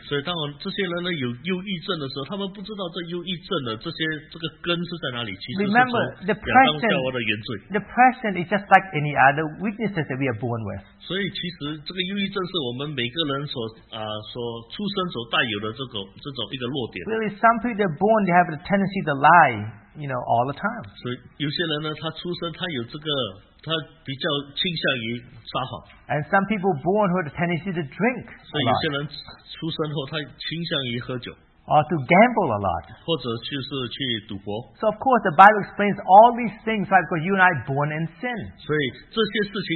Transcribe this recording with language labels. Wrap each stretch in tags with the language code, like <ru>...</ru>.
<zh>所以当这些人呢有忧郁症的时候，他们不知道这忧郁症的这些这个根是在哪里。</zh> <en>Remember, depression is just like any other weaknesses that we are born with.</en> <zh>所以其实这个忧郁症是我们每个人所出生所带有的这种一个弱点。</zh> <en>Really, some people are born, they have the tendency to lie, you know, all the time.</en> <zh>所以有些人呢，他出生他有这个。</zh> <en>And some people born who have a tendency to drink a lot, or to gamble a lot. So of course the Bible explains all these things, right? Because you and I are born in sin.</en>